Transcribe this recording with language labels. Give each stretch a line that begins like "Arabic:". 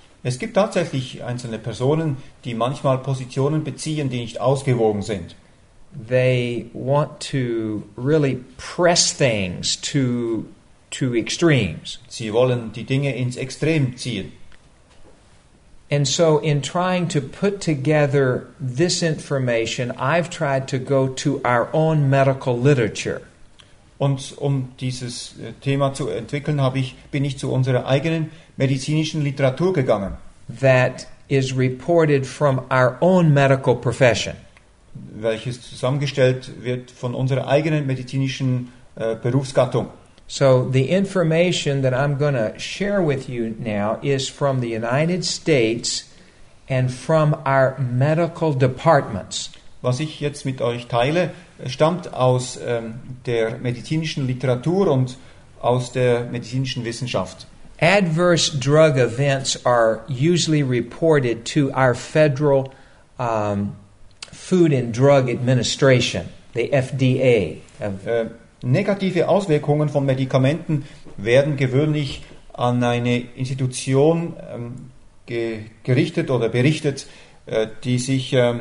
German: Es gibt tatsächlich einzelne Personen, die manchmal Positionen beziehen, die nicht ausgewogen sind.
English: They want to really press things to extremes.
German: Sie wollen die Dinge ins Extrem ziehen.
English: And so in trying to put together this information, I've tried to go to our own medical literature.
German: Und um dieses Thema zu entwickeln, bin ich zu unserer eigenen medizinischen Literatur gegangen.
English: That is reported from our own medical profession.
German: Welches zusammengestellt wird von unserer eigenen medizinischen Berufsgattung.
English: So the information that I'm going to share with you now is from the United States and from our medical departments.
German: Was ich jetzt mit euch teile, stammt aus der medizinischen Literatur und aus der medizinischen Wissenschaft.
English: Adverse drug events are usually reported to our federal Food and Drug Administration, the FDA.
German: Negative Auswirkungen von Medikamenten werden gewöhnlich an eine Institution gerichtet oder berichtet, die sich